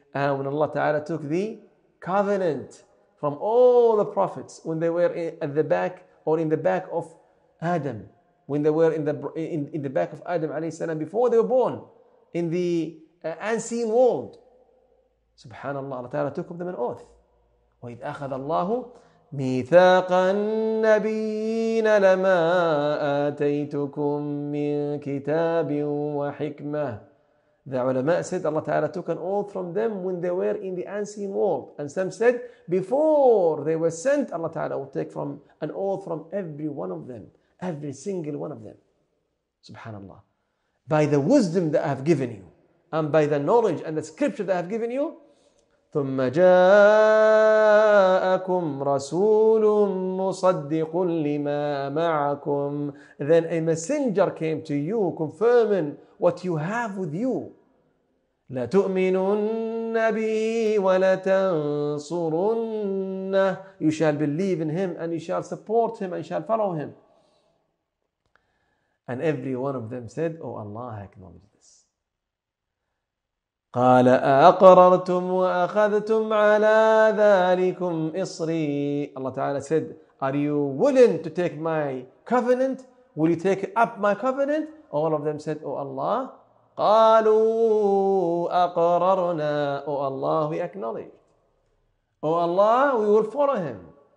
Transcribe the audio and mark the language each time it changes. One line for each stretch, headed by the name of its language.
English: And when Allah Ta'ala took the covenant from all the prophets when they were at the back or in the back of Adam, when they were in the back of Adam alayhi salam before they were born in the unseen world, subhanallah, Allah Ta'ala took of them an oath.
Arabic: وَإِذْ أَخَذَ اللَّهُ ميثاق النبيين لما آتيتكم من كتاب وحكمة.
English: The ulama said, Allah Ta'ala took an oath from them when they were in the unseen world. And some said, before they were sent, Allah Ta'ala will take from an oath from every one of them, every single one of them. Subhanallah. By the wisdom that I have given you, and by the knowledge and the scripture that I have given you,
Arabic: ثم جاءكم رسول مصدق لما معكم.
English: Then a messenger came to you confirming what you have with you.
Arabic: لا تؤمنن به ولا تنصرنه.
English: You shall believe in him and you shall support him and you shall follow him. And every one of them said, oh Allah, I acknowledge this.
Arabic: قال أقررتم وأخذتم على ذلكم إصري.
English: Allah Ta'ala said, are you willing to take my covenant? Will you take up my covenant? All of them said, oh Allah.
Arabic: قالوا أقررنا.
English: Oh Allah, we acknowledge. Oh Allah, we will follow him.